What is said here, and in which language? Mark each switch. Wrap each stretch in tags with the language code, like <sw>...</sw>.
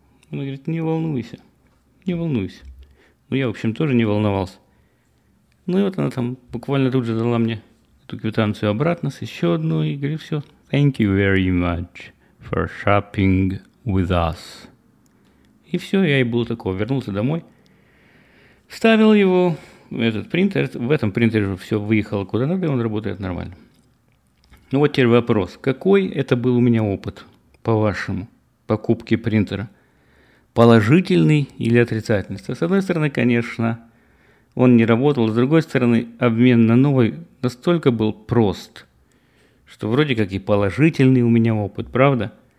<ru>Она говорит, не волнуйся. Не волнуйся. Ну, я, в общем, тоже не волновался. Ну и вот она там буквально тут же дала мне эту квитанцию обратно с еще одной и говорит, все.</ru> <en>Thank you very much for shopping with us.</en> <ru>И все, я и был такого. Вернулся домой, вставил его, этот принтер. В этом принтере же все выехало куда надо, и он работает нормально. Ну вот теперь вопрос. Какой это был у меня опыт, по-вашему, покупки принтера? Положительный или отрицательный? С одной стороны, конечно, он не работал, с другой стороны, обмен на новый настолько был прост, что вроде как и положительный у меня опыт, правда?</ru>